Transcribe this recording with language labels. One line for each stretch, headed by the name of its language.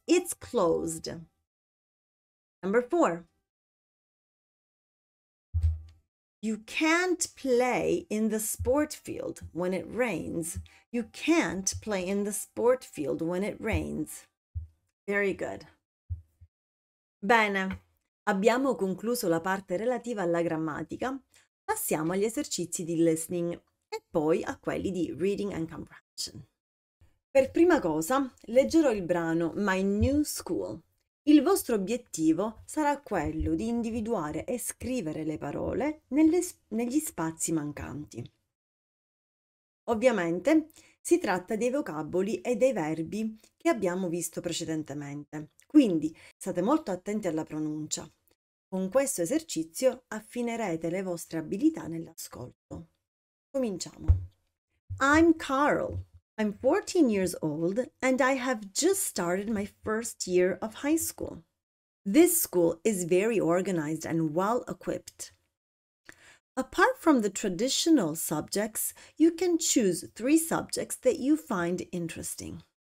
English: It's closed. Number 4. You can't play in the sport field when it rains. You can't play in the sport field when it rains. Very good.
Italian: Bene, abbiamo concluso la parte relativa alla grammatica. Passiamo agli esercizi di listening e poi a quelli di
English: reading and comprehension.
Italian: Per prima cosa, leggerò il brano My New School. Il vostro obiettivo sarà quello di individuare e scrivere le parole negli spazi mancanti. Ovviamente, Si tratta dei vocaboli e dei verbi che abbiamo visto precedentemente, quindi state molto attenti alla pronuncia. Con questo esercizio affinerete le vostre abilità nell'ascolto. Cominciamo.
English: I'm Carl. I'm 14 years old and I have just started my first year of high school. This school is very organized and well equipped. Apart from the traditional subjects, you can choose three subjects that you find interesting.